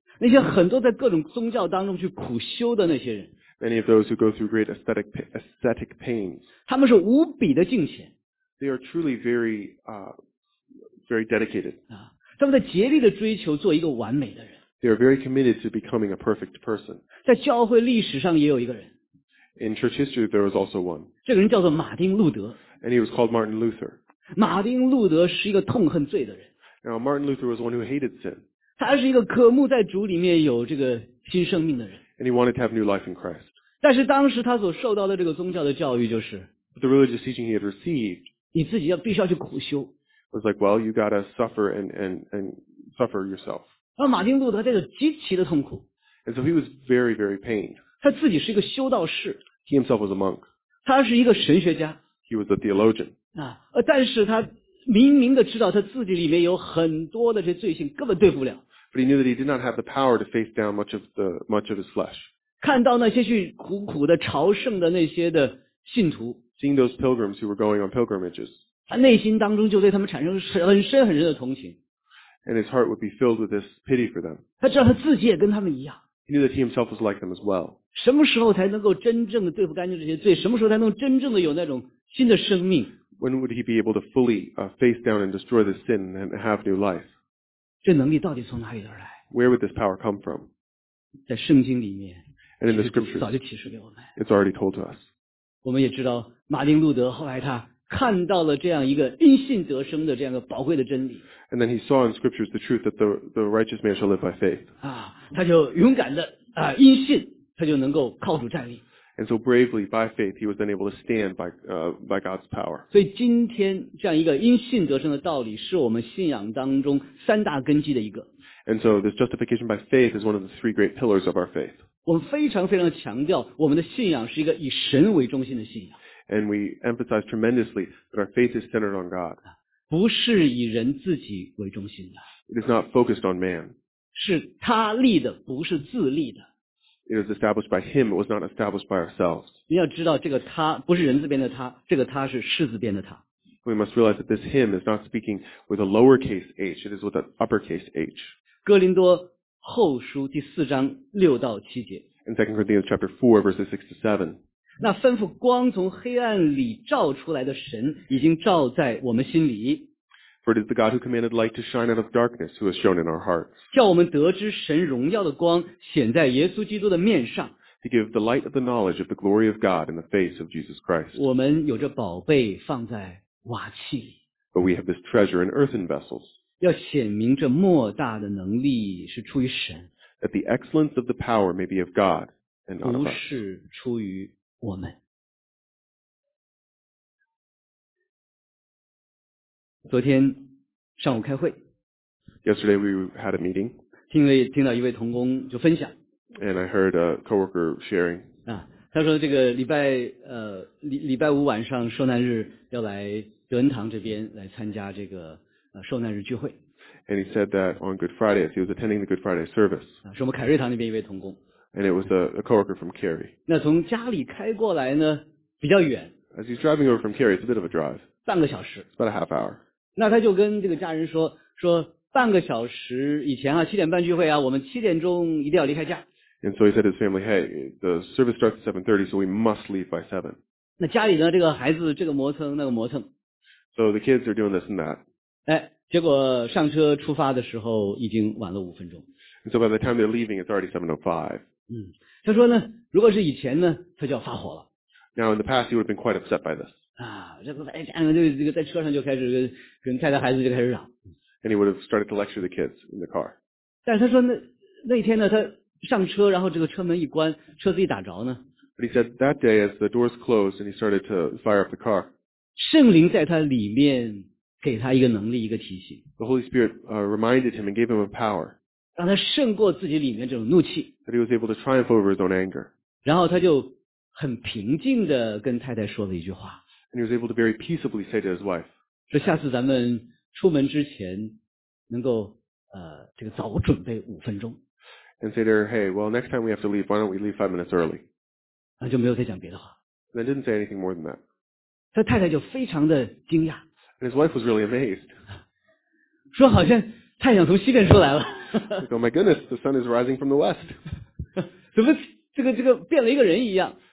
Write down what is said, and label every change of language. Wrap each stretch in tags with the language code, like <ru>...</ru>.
<zh>那些很多在各种宗教当中去苦修的那些人。</zh> <en>Many of those who go through great aesthetic pains.</en> <zh>他们是无比的敬虔。</zh> <en>They are truly very, very dedicated.</en> <zh>他们在竭力地追求做一个完美的人。</zh> <en>They are very committed to becoming a perfect person.</en> <zh>在教会历史上也有一个人。</zh> <en>In church history, there was also one.</en> <zh>这个人叫做马丁·路德。</zh> <en>And he was called Martin Luther.</en> <zh>马丁·路德是一个痛恨罪的人。</zh> <en>Now, Martin Luther was one who hated sin.</en> <zh>他是一个渴慕在主里面有这个新生命的人。</zh> <en>And he wanted to have new life in Christ.</en> <zh>但是当时他所受到的这个宗教的教育就是。</zh> <en>But the religious teaching he had received.</en> <zh>你自己要必须要去苦修。</zh> <en>It's like, well, you gotta suffer and suffer yourself.</en> <zh>而马丁路德在这极其的痛苦。</zh> <en>And so he was very, very pained.</en> <zh>他自己是一个修道士。</zh> <en>He himself was a monk.</en> <zh>他是一个神学家。</zh> <en>He was a theologian.</en> <zh>但是他明明的知道他自己里面有很多的这罪性根本对付不了。</zh> <en>But he knew that he did not have the power to face down much of his flesh.</en> <zh>看到那些去苦苦的朝圣的那些的信徒。</zh> <en>Seeing those pilgrims who were going on pilgrimages.</en> <zh>他内心当中就对他们产生很深很深的同情。</zh> <en>And his heart would be filled with this pity for them.</en> <zh>他知道他自己也跟他们一样。</zh> <en>He knew that he himself was like them as well.</en> <zh>什么时候才能够真正的对付干净这些罪？什么时候才能真正的有那种新的生命</zh> <en>？When would he be able to fully face down and destroy this sin and have new life?</en> <zh>这能力到底从哪里而来</zh> <en>？Where would this power come from?</en> <zh>在圣经里面。</zh> <en>And in the scriptures, it's already told to us.</en> <zh>我们也知道马丁路德后来他看到了这样一个因信得生的这样一个宝贵的真理。</zh> <en>And then he saw in scriptures the truth that the righteous man shall live by faith.</en> <zh>啊，他就勇敢的啊因信，他就能够靠主站立。</zh> <en>And so bravely by faith, he was then able to stand by God's power.</en> <zh>所以今天这样一个因信得生的道理，是我们信仰当中三大根基的一个。</zh> <en>And so this justification by faith is one of the three great pillars of our faith.</en> <zh>我们非常非常强调，我们的信仰是一个以神为中心的信仰。</zh> <en>And we emphasize tremendously that our faith is centered on God.</en> <zh>不是以人自己为中心的。</zh> <en>It is not focused on man.</en> <zh>是他立的，不是自立的。</zh> <en>It was established by him, it was not established by ourselves.</en> <zh>你要知道这个他不是人字边的他，这个他是士字边的他。</zh> <en>We must realize that this him is not speaking with a lowercase h, it is with an uppercase h.</en> <zh>哥林多后书第四章六到七节。</zh> <en>In 2 Corinthians chapter 4, verses 6 to 7.</en> <zh>那吩咐光从黑暗里照出来的神已经照在我们心里。</zh> <en>For it is the God who commanded light to shine out of darkness who has shown in our hearts.</en> <zh>叫我们得知神荣耀的光显在耶稣基督的面上。</zh> <en>To give the light of the knowledge of the glory of God in the face of Jesus Christ.</en> <zh>我们有着宝贝放在瓦器里。</zh> <en>But we have this treasure in earthen vessels.</en> <zh>要显明这莫大的能力是出于神。</zh> <en>That the excellence of the power may be of God and not of us.</en> <zh>不是出于我们。昨天上午开会。</zh> <en>Yesterday we had a meeting.</en> <zh>听到一位同工就分享。</zh> <en>And I heard a coworker sharing.</en> <zh>啊，他说这个礼拜五晚上受难日要来德恩堂这边来参加这个受难日聚会。</zh> <en>And he said that on Good Friday, he was attending the Good Friday service.</en> <zh>啊，是我们凯瑞堂那边一位同工。</zh> <en>And it was a coworker from Cary.</en> <zh>那从家里开过来呢比较远。</zh> <en>As he's driving over from Cary, it's a bit of a drive.</en> <zh>半个小时。</zh> <en>It's about a half hour.</en> <zh>那他就跟这个家人说半个小时以前啊，七点半聚会啊，我们七点钟一定要离开家。</zh> <en>And so he said to his family, "Hey, the service starts at 7:30, so we must leave by 7."</en> <zh>那家里呢，这个孩子这个磨蹭那个磨蹭。</zh> <en>So the kids are doing this and that.</en> <zh>哎，结果上车出发的时候已经晚了五分钟。</zh> <en>And so by the time they're leaving, it's already 7:05.</en> <zh>嗯，他说呢，如果是以前呢，他就要发火了。</zh> <en>Now in the past, he would have been quite upset by this.</en> <zh>啊，这个哎，家人就这个在车上就开始跟太太孩子就开始嚷。</zh> <en>And he would have started to lecture the kids in the car.</en> <zh>但是他说那天呢，他上车，然后这个车门一关，车子一打着呢。</zh> <en>But he said that day as the doors closed and he started to fire up the car.</en> <zh>圣灵在他里面给他一个能力，一个提醒。</zh> <en>The Holy Spirit reminded him and gave him a power.</en> <zh>让他胜过自己里面这种怒气。</zh> <en>That he was able to triumph over his own anger.</en> <zh>然后他就很平静的跟太太说了一句话。</zh> <en>And he was able to very peaceably say to his wife,</en> <zh>说下次咱们出门之前能够这个早准备五分钟。</zh> <en>And say to her, hey, well, next time we have to leave, why don't we leave 5 minutes early?</en> <zh>那就没有再讲别的话。</zh> <en>And I didn't say anything more than that.</en> <zh>他太太就非常的惊讶。</zh> <en>And his wife was really amazed.</en> <zh>说好像太阳从西边出来了。</zh> <en>Oh my goodness, the sun is rising from the west.</en> <zh>怎么这个变了一个人一样。</zh>